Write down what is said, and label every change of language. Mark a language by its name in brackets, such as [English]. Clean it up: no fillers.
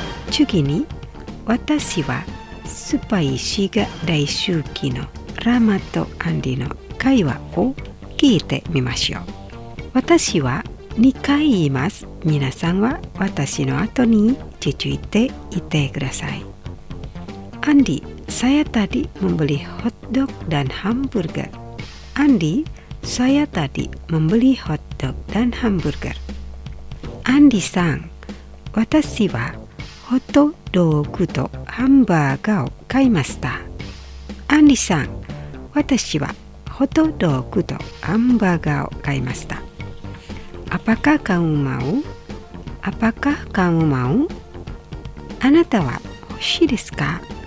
[Japanese] 次に、私はスパイシーが大好きのラマとアンディの会話を聞いてみましょう。私は2回言います。皆さんは私の後に続いていてください。 [Indonesian] アンディ、saya tadi membeli hot dog dan hamburger. アンディ、saya tadi membeli hot dog dan hamburger. [Japanese] アンディさん、私はホットドッグとハンバーガーを買いました。アンディさん、私はホットドッグとハンバーガーを買いました。 [Indonesian] アパカカウマウ、アパカカウマウ、 [Japanese] あなたは欲しいですか？